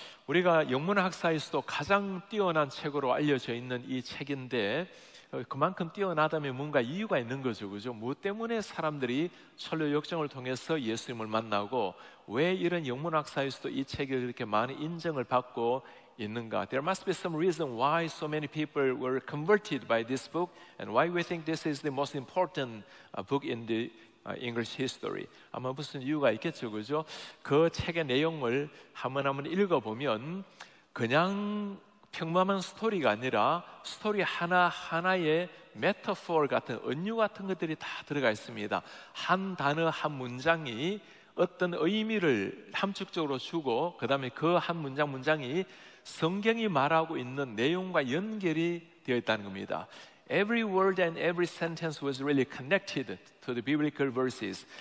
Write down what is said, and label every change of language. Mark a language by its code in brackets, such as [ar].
[ko] 우리가 영문학사에서도 가장 뛰어난 책으로 알려져 있는 이 책인데 그만큼 뛰어나다면 뭔가 이유가 있는 거죠. 그죠? 무엇 때문에 사람들이 철로 역정을 통해서 예수님을 만나고 왜 이런 영문학사에서도 이 책이 이렇게 많은 인정을 받고 있는가? [en] There must be some reason why so many people were converted by this book and why we think this is the most important book in the English history. [ko] 아마 무슨 이유가 있겠죠. 그죠? 그 책의 내용을 한번 한번 읽어보면 그냥 평범한 스토리가 아니라 스토리 하나하나에 메타포 같은 은유 같은 것들이 다 들어가 있습니다. 한 단어 한 문장이 어떤 의미를 함축적으로 주고 그 다음에 그 한 문장 문장이 성경이 말하고 있는 내용과 연결이 되어 있다는 겁니다. [en] Every word and every sentence was really connected to the biblical verses.